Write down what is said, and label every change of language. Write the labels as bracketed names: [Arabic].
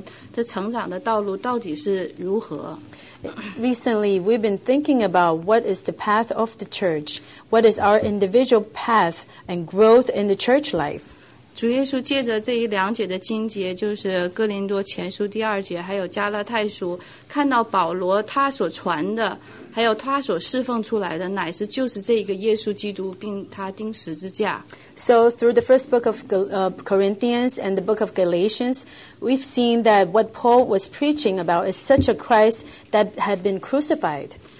[Chinese] 我们最近也是在主面前思想，教会的道路是怎么样？我们个人在主面前的成长的道路到底是如何？ [English] Recently, we've been thinking about what is the path of the church, what is our individual path and growth in the church life. [Chinese] 主耶稣借着这一两节的经节，就是哥林多前书第二节，还有加拉太书，看到保罗他所传的。还有他所侍奉出来的，乃是就是这个耶稣基督，并他钉十字架。 [English] So through the first book of Corinthians and the book of Galatians, we've seen that what Paul was preaching about is such a Christ that had been crucified.